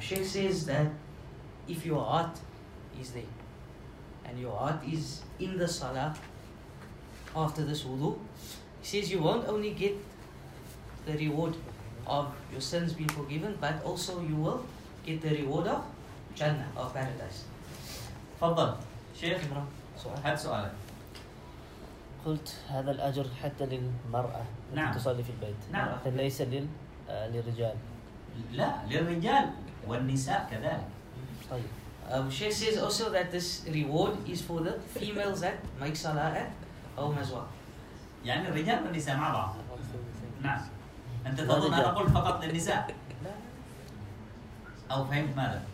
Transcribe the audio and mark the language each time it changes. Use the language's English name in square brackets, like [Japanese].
[English] Sheikh says that if your heart is there and your heart is in the salah after this wudu, he says you won't only get the reward of your sins being forgiven, but also you will get the reward of Jannah, of paradise. [Arabic] فضل. شيخ. هل سؤال؟ قلت هذا الأجر حتى للمرأة نعم. تصلي في البيت نعم. فليس للرجال لا للرجال والنساء كذلك طيب [English] Sheikh says also that this reward is for the females that make salah at home as well. [Arabic] يعني الرجال والنساء مع بعض. نعم. أنت تظن أنا أقول فقط للنساء؟ أو فهمت ماذا؟